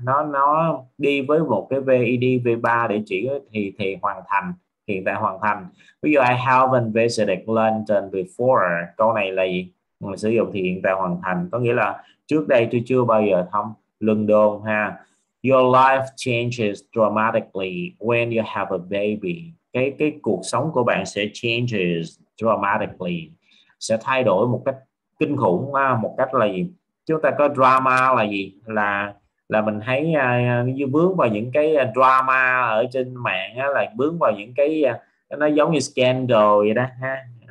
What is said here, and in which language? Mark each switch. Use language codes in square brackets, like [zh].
[vi] Nó đi với một cái VED V3 để chỉ thì hoàn thành, hiện tại hoàn thành. Ví dụ [en] I haven't visited London before, [vi] câu này là gì? Sử dụng thì hiện tại hoàn thành, có nghĩa là trước đây tôi chưa bao giờ thăm London ha. [en] Your life changes dramatically when you have a baby. [vi] Cái cuộc sống của bạn sẽ [en] changes dramatically, [vi] sẽ thay đổi một cách kinh khủng ha. Một cách là gì? Chúng ta có drama là gì, là mình thấy như vướng vào những cái drama ở trên mạng á, là vướng vào những cái nó giống như scandal vậy đó ha.